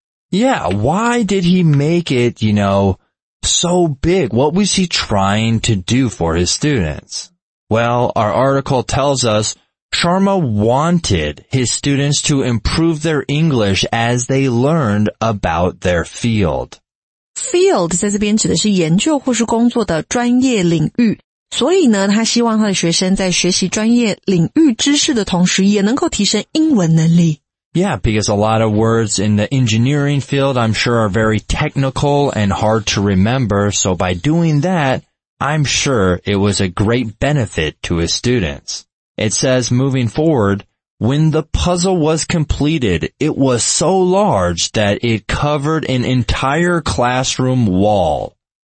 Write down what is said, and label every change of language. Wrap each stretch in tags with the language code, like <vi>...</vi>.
<en>Yeah, why did he make it, you know, so big? What was he trying to do for his students? Well, our article tells us Sharma wanted his students to improve their English as they learned about their field.</en> <zh>Field 在这边指的是研究或是工作的专业领域，所以呢，他希望他的学生在学习专业领域知识的同时，也能够提升英文能力。</zh> <en>Yeah, because a lot of words in the engineering field, I'm sure, are very technical and hard to remember. So by doing that, I'm sure it was a great benefit to his students. It says, moving forward,When the puzzle was completed, it was so large that it covered an entire classroom wall.</en>